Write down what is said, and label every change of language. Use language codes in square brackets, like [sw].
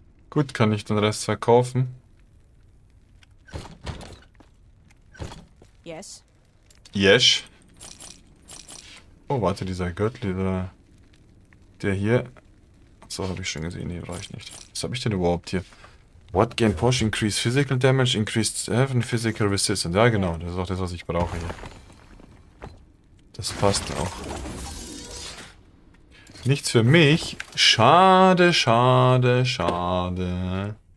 [de] Gut, kann ich den Rest verkaufen? [en] Yes. Yes. [de] Oh, warte, dieser Gürtel, der hier. So, habe ich schon gesehen. Nee, reicht nicht. Was habe ich denn überhaupt hier? [en] What gain push? Increase physical damage, increased health and physical resistance. [de] Ja, genau. Das ist auch das, was ich brauche hier. Das passt auch. Nichts für mich. Schade, schade, schade.